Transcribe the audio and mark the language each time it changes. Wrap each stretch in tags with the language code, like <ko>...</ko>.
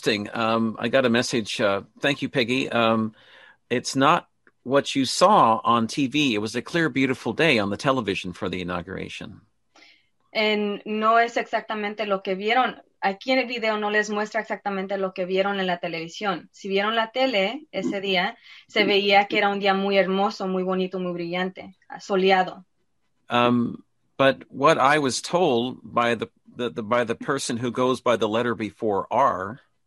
<en>I got a message. Thank you, Peggy. It's not what you saw on TV. It was a clear, beautiful day on the television for the inauguration.</en> <es>And no es exactamente lo que vieron. Aquí en el video no les muestra exactamente lo que vieron en la televisión. Si vieron la tele ese día, se veía que era un día muy hermoso, muy bonito, muy brillante, soleado.</es> <en>But what I was told by the person who goes by the letter before R.</en>